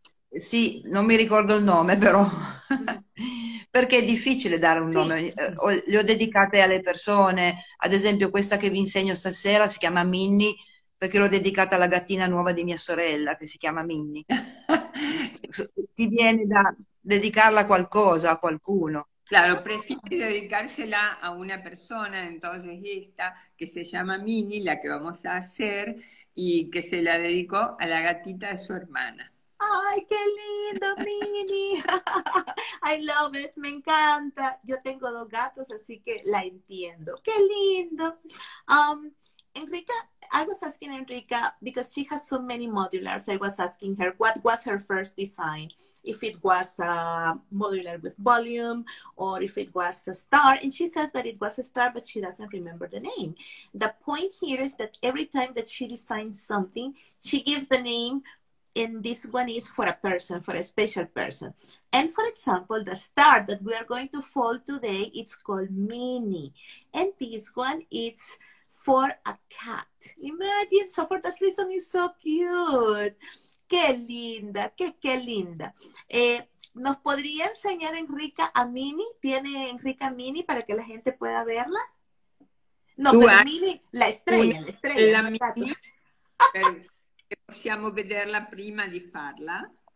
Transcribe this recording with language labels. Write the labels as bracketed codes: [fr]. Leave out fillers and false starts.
[it] Sì, non mi ricordo il nome però, perché è difficile dare un nome, le ho dedicate alle persone, ad esempio questa che vi insegno stasera si chiama Minnie, perché l'ho dedicata alla gattina nuova di mia sorella che si chiama Minnie. Ti viene da dedicarla a qualcosa, a qualcuno. [es] Claro, prefiere dedicársela a una persona, entonces esta, que se llama Mini, la que vamos a hacer, y que se la dedicó a la gatita de su hermana. ¡Ay, qué lindo, Mini! [en] I love it, [es] me encanta. Yo tengo dos gatos, así que la entiendo. ¡Qué lindo! [en] Enrica, I was asking Enrica, because she has so many modulars, I was asking her, what was her first design? If it was a modular with volume, or if it was a star. And she says that it was a star, but she doesn't remember the name. The point here is that every time that she designs something, she gives the name, and this one is for a person, for a special person. And for example, the star that we are going to fold today, it's called Minnie. And this one, it's for a cat. Imagine, so for that reason, it's so cute. [es] ¡Qué linda! ¡Qué linda! ¿Nos podría enseñar Enrica a Mini? ¿Tiene Enrica Mini para que la gente pueda verla? [it] No, però Mimi, l'estrella, la Mimi, certo. possiamo vederla prima di farla?